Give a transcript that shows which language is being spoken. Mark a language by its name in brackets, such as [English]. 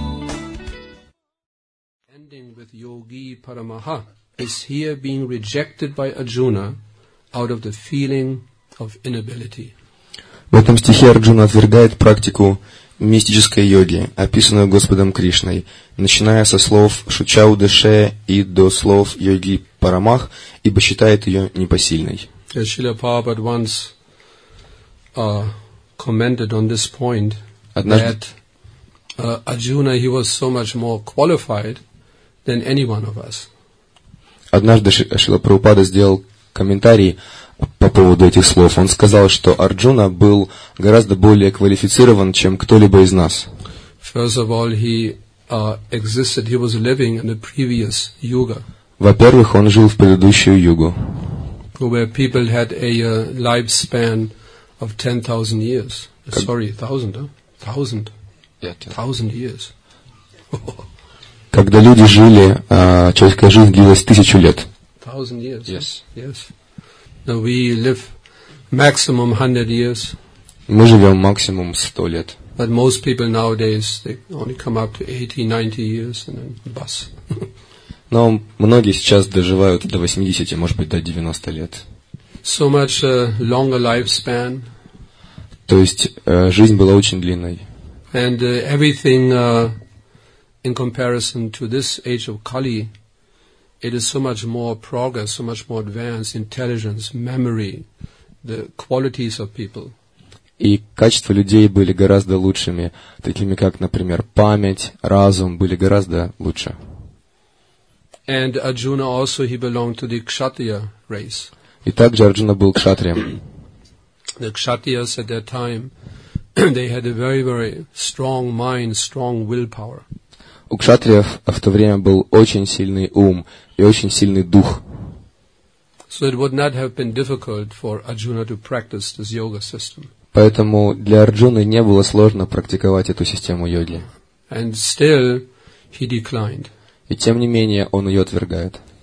[English] contending with Yogi Paramaha is here being rejected by Arjuna out of the feeling of inability. [Russian] В этом стихе Арджуна отвергает практику мистической йоги, описанную Господом Кришной, начиная со слов Шучаудеше и до слов Йоги Парамах, ибо считает ее непосильной. [English] As Srila Prabhupada once commented on this point, that Arjuna, he was so much more qualified than any one of us. [Russian] Однажды Шрила Прабхупада сделал комментарий по поводу этих слов. Он сказал, что Арджуна был гораздо более квалифицирован, чем кто-либо из нас. [English] First of all, he existed, he was living in the previous yuga. [Russian] Во-первых, он жил в предыдущую югу, [English] where people had a lifespan of 10,000 years. Sorry, 1,000, huh? 1,000. Thousand years. [Russian] Когда люди жили, человеческая жизнь длилась тысячу лет. [English] Thousand years. Yes. Yes. Now we live maximum 100 years. [Russian] Мы живем максимум 100 лет. [English] But most people nowadays they only come up to 80-90 years and then bus. [Russian] Но многие сейчас доживают до 80, может быть, до 90 лет. [English] So much longer lifespan. [Russian] То есть жизнь была очень длинной. [English] And everything in comparison to this age of Kali, it is so much more progress, so much more advanced, intelligence, memory, the qualities of people. [Russian] И качества людей были гораздо лучшими, такими как, например, память, разум были гораздо лучше. [English] And Arjuna also, he belonged to the Kshatriya race. [Russian] И также Арджуна был кшатрием. [English] The Kshatriyas at that time, they had a very, very strong mind, strong willpower. [Russian] У кшатриев в то время был очень сильный ум и очень сильный дух. [English] So it would not have been difficult for Arjuna to practice this yoga system. [Russian] Поэтому для Арджуны не было сложно практиковать эту систему йоги. [English] And still, he declined. [Russian] И тем не менее он ее отвергает.